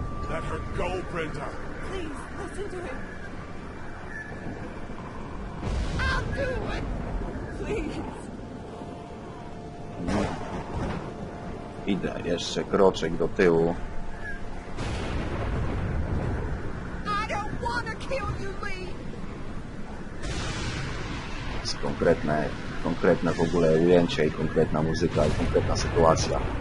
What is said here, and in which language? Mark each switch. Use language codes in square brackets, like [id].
[en] Let her go, Brenda. Please, listen to him. I'll do it. Please. [pl] Idę jeszcze kroczek do tyłu. [en] I don't wanna kill you, Lee. [pl] Jest konkretne w ogóle ujęcie i konkretna muzyka i konkretna sytuacja.